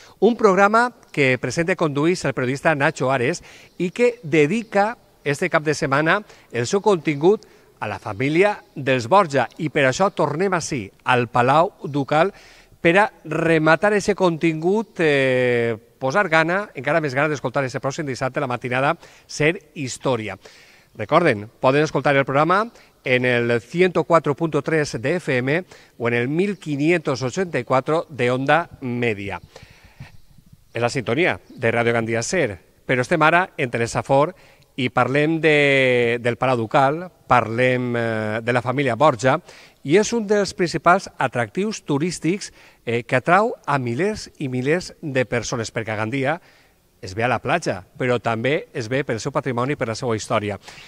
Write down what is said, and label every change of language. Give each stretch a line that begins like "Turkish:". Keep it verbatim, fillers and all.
Catalan: Un programa que presenta i condueix el periodista Nacho Ares i que dedica este cap de setmana el seu contingut a la família dels Borja. I per això tornem així, al Palau Ducal, per a rematar aquest contingut, eh, posar gana, encara més gana d'escoltar aquest pròxim dissabte a la matinada SER Història. Recorden, poden escoltar el programa
Spanish: en el ciento cuatro punto tres de F M o en el mil quinientos ochenta y cuatro de Onda Media.
Catalan: És la sintonia de Ràdio Gandia SER, però estem ara en Telesafor i parlem de, del Palau Ducal, parlem de la família Borja, i és un dels principals atractius turístics eh, que atrau a milers i milers de persones, perquè a Gandia es ve a la platja, però també es ve pel seu patrimoni i per la seva història.